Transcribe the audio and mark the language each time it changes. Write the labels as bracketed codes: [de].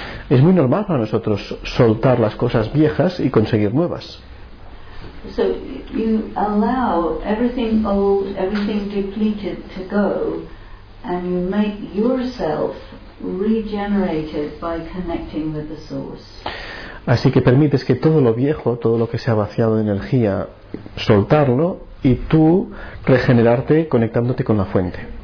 [es] Es muy normal para nosotros soltar las cosas viejas y conseguir nuevas. [en] So you allow everything old, everything depleted to go, and you make yourself regenerated by connecting with the source. [es] Así que permites que todo lo viejo, todo lo que se ha vaciado de energía, soltarlo y tú regenerarte conectándote con la fuente.